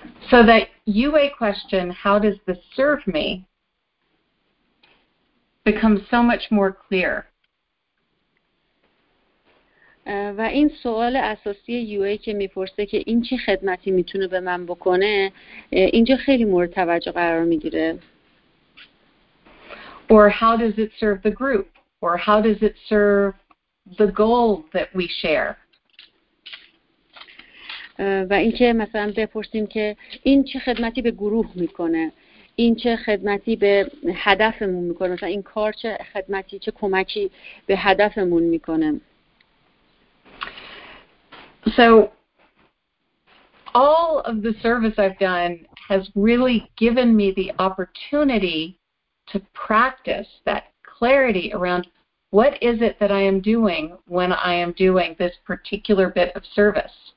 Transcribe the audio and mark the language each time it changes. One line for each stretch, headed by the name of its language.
English: So that UA question, how does this serve me, becomes so much more clear.
Persian: و این سوال اساسی یو ای که میپرسه که این چه خدمتی میتونه به من بکنه، اینجا خیلی مورد توجه قرار میگیره.
English: Or how does it serve the group? Or how does it serve the goal that we share?
Persian: و اینکه مثلا بپرسیم که این چه خدمتی به گروه میکنه، این چه خدمتی به هدفمون میکنه، مثلا این کار چه خدمتی، چه کمکی به هدفمون میکنه.
English: So all of the service I've done has really given me the opportunity to practice that clarity around what is it that I am doing when I am doing this particular bit of service.